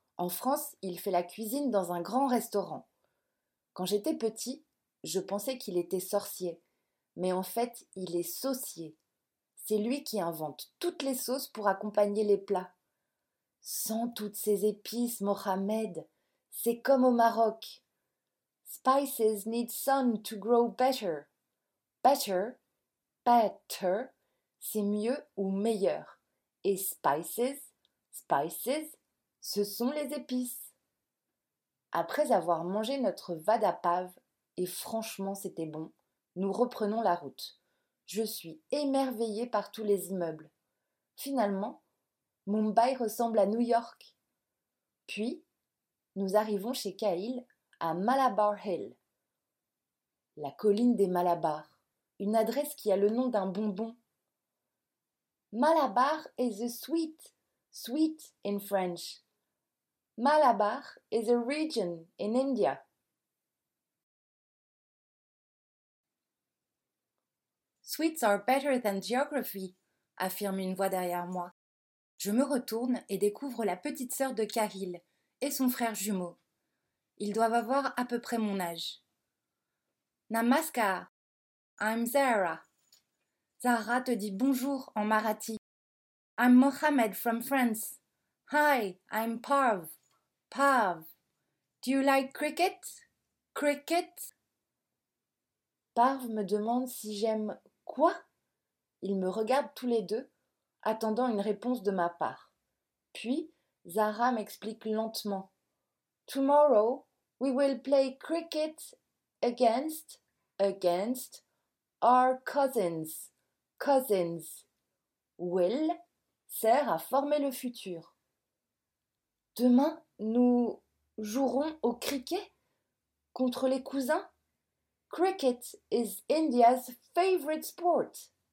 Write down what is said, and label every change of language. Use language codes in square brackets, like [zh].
[fr] En France, il fait la cuisine dans un grand restaurant. Quand j'étais petit, je pensais qu'il était sorcier. Mais en fait, il est saucier. C'est lui qui invente toutes les sauces pour accompagner les plats. Sans toutes ces épices, Mohammed, c'est comme au Maroc. [en] Spices need sun to grow better. [fr] Better, better, c'est mieux ou meilleur. Et spices, spices, ce sont les épices. Après avoir mangé notre vada pav, et franchement c'était bon, nous reprenons la route. Je suis émerveillée par tous les immeubles. Finalement, Mumbai ressemble à New York. Puis, nous arrivons chez Cahil à Malabar Hill. La colline des Malabar. Une adresse qui a le nom d'un bonbon. [en] Malabar is a sweet. Sweet in French. Malabar is a region in India. Sweets are better than geography, [fr] affirme une voix derrière moi. Je me retourne et découvre la petite sœur de Cahil et son frère jumeau. Ils doivent avoir à peu près mon âge. [en] Namaskar, I'm Zahra. [fr] Zahra te dit bonjour en marathi. [en] I'm Mohammed from France. Hi, I'm Parv. Parv, do you like cricket? Cricket? [fr] Parv me demande si j'aime... Quoi ? Ils me regardent tous les deux, attendant une réponse de ma part. Puis, Zahra m'explique lentement. [en] Tomorrow, we will play cricket against our cousins. Cousins. [fr] Will sert à former le futur. Demain, nous jouerons au cricket contre les cousins ? [en] Cricket is India's favorite sport.